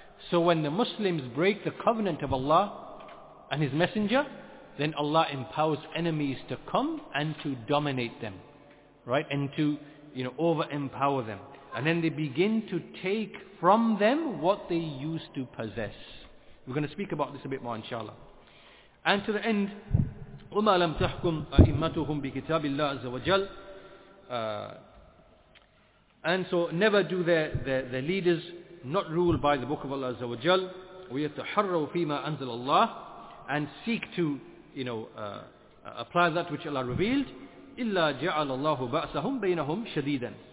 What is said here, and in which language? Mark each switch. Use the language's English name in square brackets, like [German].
[English] So when the Muslims break the covenant of Allah and His Messenger, then Allah empowers enemies to come and to dominate them. Right? And to, you know, over-empower them. And then they begin to take from them what they used to possess. We're going to speak about this a bit more, inshallah. And to the end, [Arabic] وَمَا لَمْ تَحْكُمْ أَئِمَّتُهُمْ بِكِتَابِ اللَّهِ عَزَّ وَجَلَّ. [English] And so never do their leaders not rule by the book of Allah Azza wa Jal. [Arabic] وَيَتَحَرَّوا فِيمَا أَنزَلَ اللَّهِ. [English] And seek to, you know, apply that which Allah revealed. [Arabic] إِلَّا جَعَلَ اللَّهُ بَأْسَهُمْ بَيْنَهُمْ شَدِيدًا.